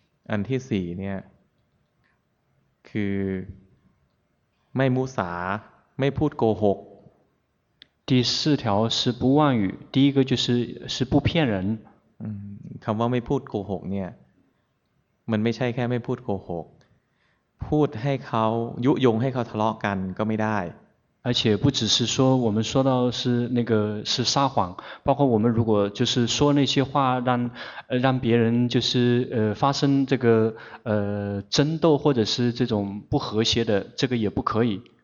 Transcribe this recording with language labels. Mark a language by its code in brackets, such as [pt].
[th] อันที่สี่เนี่ยคือไม่มุสาไม่พูดโกหก [zh] 第四条是不妄语第一个就是不骗人 [th] คำว่าไม่พูดโกหกเนี่ยมันไม่ใช่แค่ไม่พูดโกหกพูดให้เขายุยงให้เขาทะเลาะกันก็ไม่ได้ [zh] 而且不只是说我们说到是那个是撒谎包括我们如果就是说那些话让别人就是发生这个争斗或者是这种不和谐的这个也不可以